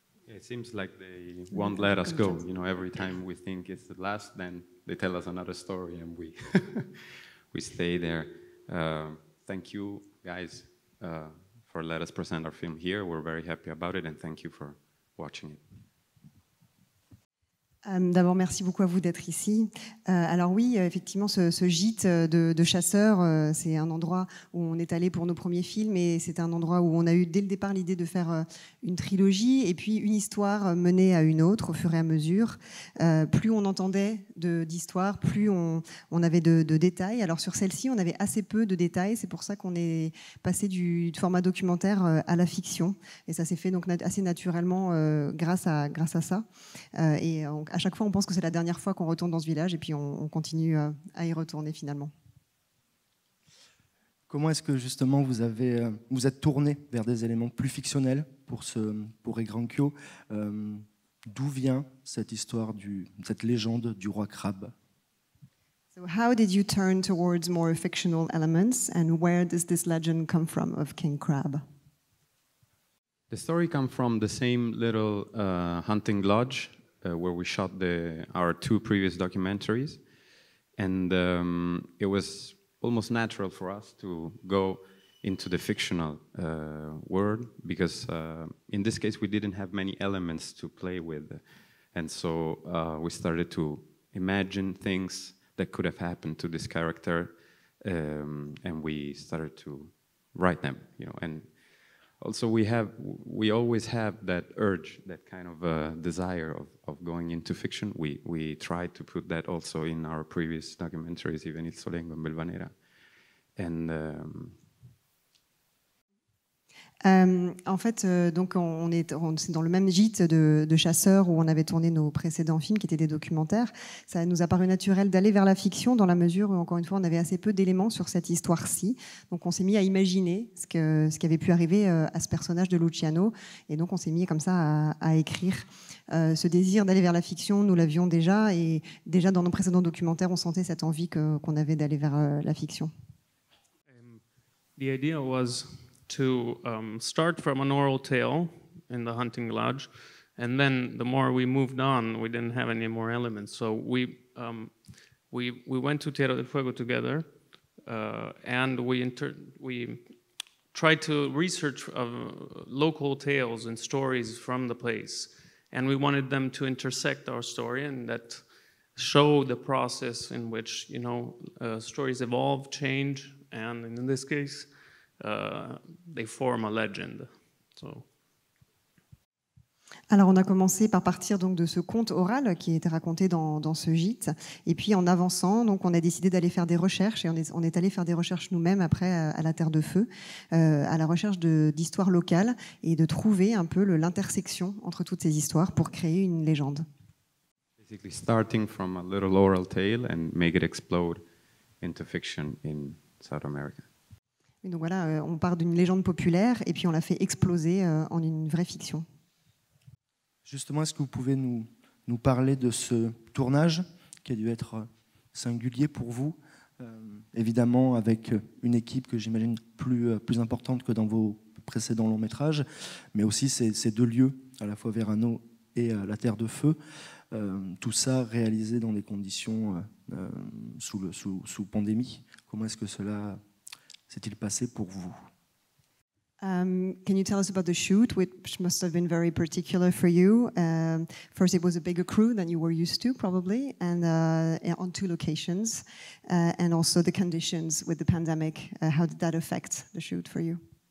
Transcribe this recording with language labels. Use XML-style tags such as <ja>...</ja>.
<en>It seems like they won't let us go. You know, every time we think it's the last, then they tell us another story, and we we stay there. Thank you, guys. For let us present our film here. We're very happy about it and thank you for watching it.</en> <fr>D'abord, merci beaucoup à vous d'être ici. Alors oui, effectivement, ce gîte de chasseurs, c'est un endroit où on est allé pour nos premiers films et c'est un endroit où on a eu dès le départ l'idée de faire une trilogie et puis une histoire menée à une autre au fur et à mesure. Plus on entendait d'histoires, plus on avait de détails. Alors sur celle-ci, on avait assez peu de détails. C'est pour ça qu'on est passé du format documentaire à la fiction. Et ça s'est fait donc assez naturellement grâce à ça. Donc à chaque fois, on pense que c'est la dernière fois qu'on retourne dans ce village et puis on continue à y retourner finalement. Comment est-ce que justement vous êtes tourné vers des éléments plus fictionnels pour Egrankio? D'où vient cette histoire, cette légende du roi crabe?</fr> <en>So how did you turn towards more fictional elements and where does this legend come from of King Crab? The story comes from the same little hunting lodge where we shot our two previous documentaries. And it was almost natural for us to go into the fictional world because in this case, we didn't have many elements to play with. And so we started to imagine things that could have happened to this character. And we started to write them, you know. And also we always have that urge, that kind of desire of going into fiction. We tried to put that also in our previous documentaries, even Il Solengo and Belvanera. And</en> <fr>En fait, donc on est dans le même gîte de chasseurs où on avait tourné nos précédents films, qui étaient des documentaires. Ça nous a paru naturel d'aller vers la fiction dans la mesure où, encore une fois, on avait assez peu d'éléments sur cette histoire-ci. Donc on s'est mis à imaginer ce qui avait pu arriver à ce personnage de Luciano. Et donc on s'est mis comme ça à écrire. Ce désir d'aller vers la fiction, nous l'avions déjà. Et déjà dans nos précédents documentaires, on sentait cette envie qu'on avait d'aller vers la fiction.</fr> <en>The idea was to start from an oral tale in the hunting lodge, and then the more we moved on, we didn't have any more elements. So we went to Tierra del Fuego together, and we tried to research local tales and stories from the place, and we wanted them to intersect our story and that show the process in which, you know, stories evolve, change, and in this case, they form a legend. So.</en> <fr>Alors, on a commencé par partir donc de ce conte oral qui était raconté dans ce gîte, et puis en avançant, donc on a décidé d'aller faire des recherches, et on est allé faire des recherches nous-mêmes après à la Terre de Feu, à la recherche d'histoires locales et de trouver un peu l'intersection entre toutes ces histoires pour créer une légende.</fr> <en>Basically, starting from a little oral tale and make it explode into fiction in South America.</en> <fr>Et donc voilà, on part d'une légende populaire et puis on la fait exploser en une vraie fiction. Justement, est-ce que vous pouvez nous parler de ce tournage qui a dû être singulier pour vous, évidemment avec une équipe que j'imagine plus importante que dans vos précédents longs métrages, mais aussi ces deux lieux, à la fois Verano et La Terre de Feu, tout ça réalisé dans des conditions sous pandémie. Comment est-ce que cela s'est-il passé pour vous?</fr> <en>Can you tell us about the shoot, which must have been very particular for you? First, it was a bigger crew than you were used to, probably, and on two locations, and also the conditions with the pandemic. How did that affect the shoot for you?</en>